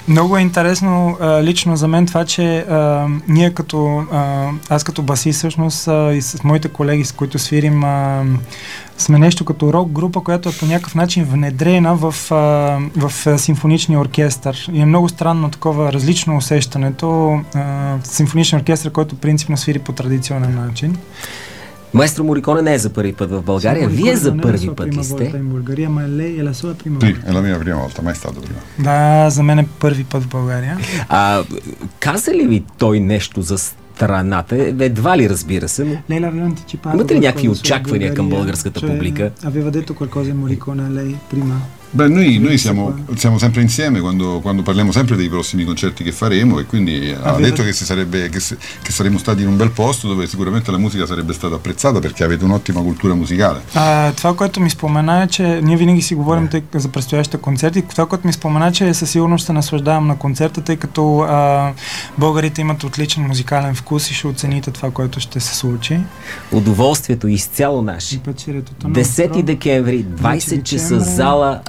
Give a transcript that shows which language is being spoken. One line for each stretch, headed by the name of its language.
Bulgarian: Много е интересно лично за мен това, че ние като аз като басист всъщност и с моите колеги, с които свирим, сме нещо като рок група, която е по някакъв начин внедрена в симфоничния оркестър. И е много странно такова различно усещането симфоничния оркестър, който принципно свири по традиционен начин.
Italian: Maestro Morricone non è per la prima volta in Bulgaria, ma è la sua prima volta. Sì, è la mia prima volta, mai stato prima.
Serbian: Da, za mene prvi put v Bulgaria.
Bulgarian: A каза ли ви той нещо за страната? Едва ли, разбира се, но
Italian: lei l'aveva anticipato.
Bulgarian: Имате ли някакви очаквания към българската публика?
Italian: Aveva detto qualcosa Morricone a lei prima? Beh, noi siamo sempre insieme quando parliamo sempre dei prossimi concerti che faremo e quindi ha detto che che saremmo stati in un bel posto dove sicuramente la musica sarebbe stata apprezzata perché avete un'ottima cultura musicale.
Bulgarian: Това, което ми спомена, че ние винаги си говорим за предстоящите концерти. Това, което ми спомена, че със сигурност ще наслаждавам на концерта, тъй като българите имат отличен музикален вкус и ще оцените това, което ще се случи. Удоволствието изцяло наше. 10 декември, 20 часа, зала